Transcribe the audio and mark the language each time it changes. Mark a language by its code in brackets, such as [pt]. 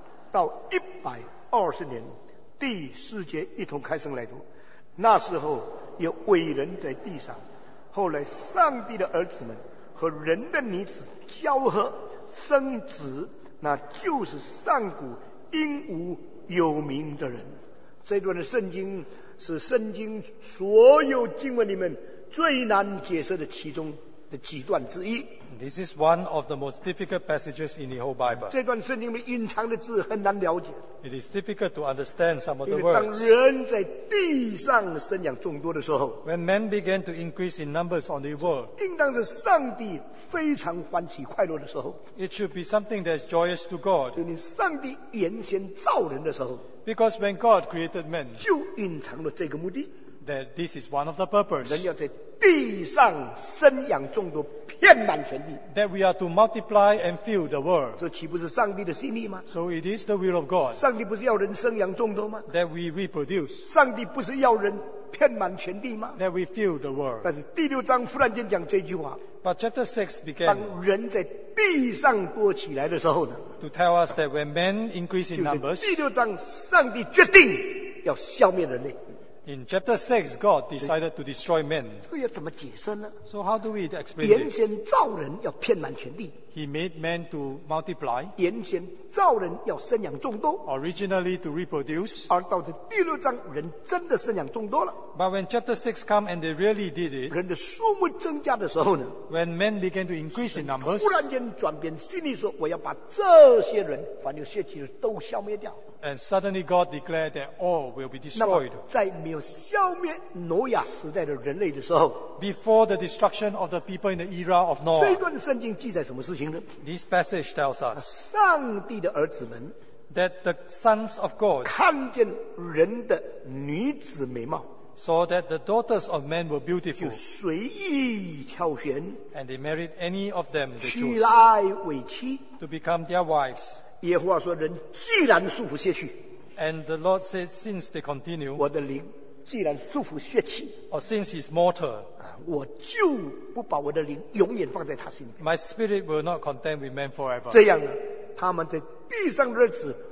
[zh] 到120年第四节一同开声来读那时候有伟人在地上后来上帝的儿子们和人的女子交合生子那就是上古英武有名的人这段的圣经是圣经所有经文里面最难解释的其中的几段之一 [en] This is one of the most difficult passages in the whole Bible [zh] 这段圣经里面隐藏的字很难了解 [en] It is difficult to understand some of the words [zh] 因为当人在地上生养众多的时候 [en] When men began to increase in numbers on the world [zh] 应当是上帝非常欢喜快乐的时候 [en] It should be something that is joyous to God [zh] 因为上帝原先造人的时候 [en] Because when God created men [zh] 就隐藏了这个目的 [en] That this is one of the purpose [zh] 人要在地上生养众多，遍满全地。 [en] That we are to multiply and fill the world. [zh] 这岂不是上帝的心意吗 [en] ？So it is the will of God. [zh] 上帝不是要人生养众多吗 [en] ？That we reproduce. [zh] 上帝不是要人遍满全地吗 [en] ？That we fill the world. [zh] 但是第六章忽然间讲这句话。 [en] But chapter 6 began. [zh] 当人在地上多起来的时候呢 [en] ？To tell us that when men increase in numbers. [zh] 就是第六章，上帝决定要消灭人类。 [en] In chapter 6, God decided to destroy men. [zh] 这个要怎么解释呢 [en] So how do we explain this? [zh] 原先造人要遍满全地。 [en] He made men to multiply. [zh] 原先造人要生养众多。 [en] Originally to reproduce. [zh] 而到了第六章，人真的生养众多了。 [en] But when chapter 6 come and they really did it. [zh] 人的数目增加的时候呢 [en] When men began to increase in numbers. [zh] 突然间转变心里说，我要把这些人，凡有血气的都消灭掉。 [en] And suddenly God declared that all will be destroyed. [zh] 在没有消灭挪亚时代的人类的时候 [en] Before the destruction of the people in the era of Noah. [zh] 这段圣经记载什么事情呢 [en] This passage tells us. [zh] 上帝的儿子们 [en] That the sons of God. [zh] 看见人的女子美貌 [en] Saw that the daughters of men were beautiful. [zh] 就随意挑选 [en] And they married any of them they chose. [zh] 娶来为妻 [en] To become their wives. [zh] 耶和华说人既然束缚血气 [en] And the Lord said since they continue [zh] 我的灵既然束缚血气 [en] Or since he's mortal [zh] 我就不把我的灵永远放在他心里 [en] My spirit will not contend with men forever [zh] 这样呢他们在地上的日子